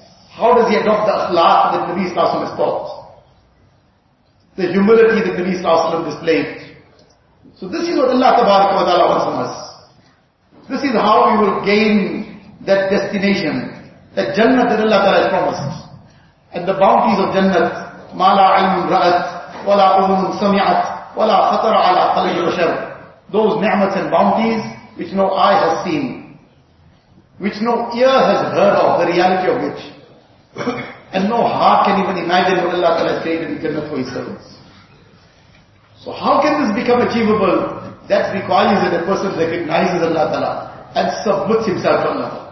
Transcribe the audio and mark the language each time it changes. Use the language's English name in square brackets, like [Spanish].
[English] How does he adopt the akhlaq that Nabi Sallallahu Alaihi Wasallam has taught? The humility that Nabi Sallallahu Alaihi Wasallam displayed. So this is what Allah Tabaraka wa Ta'ala wants from us. This is how we will gain that destination, that Jannah that Allah Ta'ala has promised. And the bounties of Jannah, [Arabic] مَا لَا عِلْمٌ رَأَتْ وَلَا أُذُنٌ سَمِعَتْ وَلَا خَطَرَ عَلَىٰ قَلْبِ بَشَرٍ. [English] Those ni'mats and bounties which no eye has seen, which no ear has heard of, the reality of which, and no heart can even imagine what Allah Ta'ala has created in Jannah for His servants. So how can this become achievable? That requires that a person recognizes Allah Ta'ala and submits himself to Allah.